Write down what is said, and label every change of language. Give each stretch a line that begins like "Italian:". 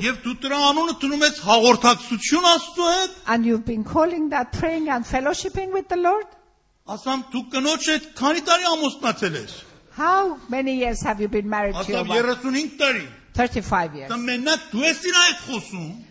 Armenian: Ես հաղորդակցություն Աստծո հետ?
English: And you've been calling that praying and fellowshipping with the Lord?
Armenian: Ասամ դու կնոջ հետ քանի տարի ամուսնացել ես?
English: How many years have you been married
Armenian: Ասամ,
English: to your wife?
Armenian: 35 տարի.
English: 35 years.
Armenian: Դու մենակ դու ես իր հետ խոսում?